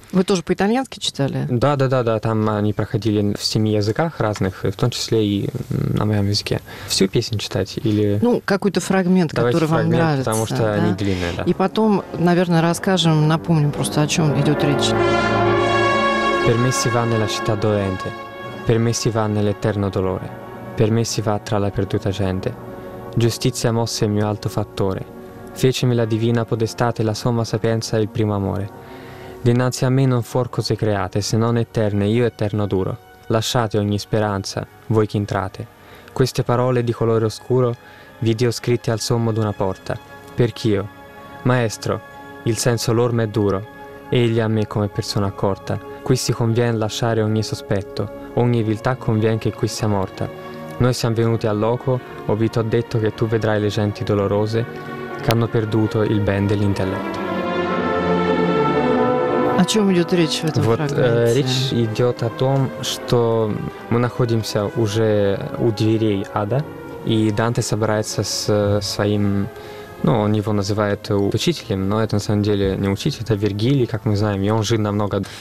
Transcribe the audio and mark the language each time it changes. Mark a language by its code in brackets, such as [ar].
[ru] Вы тоже по-итальянски читали? Да. Там они проходили в 7 языках разных, в том числе и на моем языке. Всю песню читать или... Ну, какой-то фрагмент, давайте который фрагмент, вам нравится. Потому что да? Они длинные, да. И потом, наверное, расскажем, напомним просто, о чем идет речь. [it] Per me si va nella città dolente, per me si va nell'eterno dolore, per me si va tra la perduta gente. Giustizia mosse il mio alto fattore, fecemi la divina podestate, la somma sapienza e il primo amore. Dinanzi a me non fuor cose create, se non eterne, io eterno duro. Lasciate ogni speranza, voi che entrate. Queste parole di colore oscuro vi dio scritte al sommo d'una porta. Perch'io, maestro, il senso lor m'è duro, egli a me come persona accorta. Qui si conviene lasciare ogni sospetto, ogni viltà conviene che qui sia morta. Noi siamo venuti al loco, o vi t'ho detto che tu vedrai le genti dolorose che hanno perduto il ben dell'intelletto. [ru] О чем идет речь в этом вот, фрагменте? Речь идет о том, что мы находимся уже у дверей ада, и Данте собирается с своим... Ну, он его называет учителем, но это на самом деле не учитель, это Вергилий, как мы знаем. И он жил намного...